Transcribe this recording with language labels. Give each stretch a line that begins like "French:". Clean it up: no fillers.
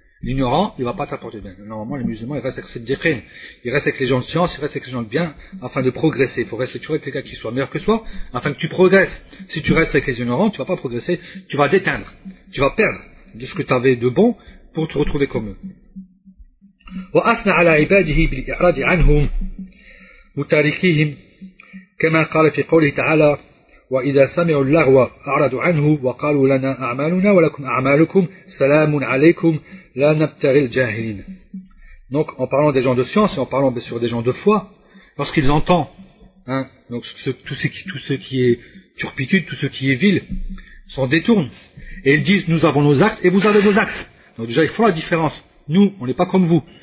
French: L'ignorant, il ne va pas t'apporter bien. Normalement, les musulmans, ils restent avec cette diqrine. Ils restent avec les gens de science, ils restent avec les gens de bien, afin de progresser. Il faut rester toujours avec quelqu'un qui soit meilleur que soi, afin que tu progresses. Si tu restes avec les ignorants, tu ne vas pas progresser, tu vas déteindre. Tu vas perdre de ce que tu avais de bon pour te retrouver comme eux.
Arabic: وأثنى على عباده بالإعراض عنهم وتاركيهم كما قال في قوله تعالى وإذا سمعوا اللغو أعرضوا عنه وقالوا لنا أعمالنا ولكم أعمالكم سلام عليكم لا نبتغي الجاهلين.
French: Donc en parlant des gens de science et en parlant bien sûr des gens de foi, lorsqu'ils entendent hein, donc tout ce qui est turpitude, tout ce qui est vil, s'en détournent et ils disent nous avons nos actes et vous avez vos actes. Donc déjà il faut la différence. Nous, on n'est pas comme vous.